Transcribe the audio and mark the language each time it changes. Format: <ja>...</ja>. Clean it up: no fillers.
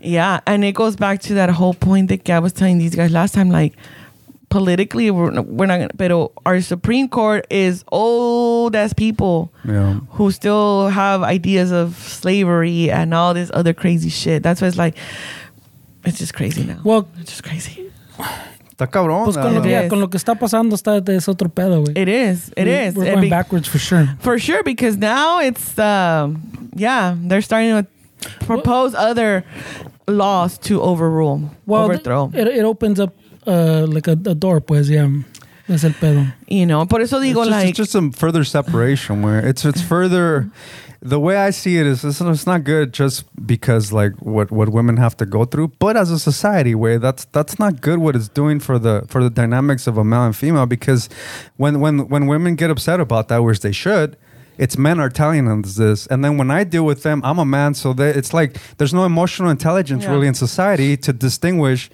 <en>Yeah, and it goes back to that whole point that I was telling these guys last time. Like, politically, we're not gonna. But our Supreme Court is old as people who still have ideas of slavery and all this other crazy shit. That's why it's like, it's just crazy now. Well, it's just crazy.</en> <es>Está cabrón. Pues con lo que está pasando está de es otro pedo, güey.</es> <en>It is. We're going backwards for sure. For sure, because now it's, they're starting to propose other laws to overrule, overthrow. It opens up like a door,</en> <es>pues, es el pedo.</es> <en>You know,</en> <es>por eso digo</es> <en>it's just, like... It's just some further separation where it's further... The way I see it is, it's not good just because like what women have to go through, but as a society way, that's not good what it's doing for the dynamics of a male and female, because when women get upset about that, which they should, it's men are telling them this, and then when I deal with them, I'm a man, so it's like there's no emotional intelligence really in society to distinguish.</en>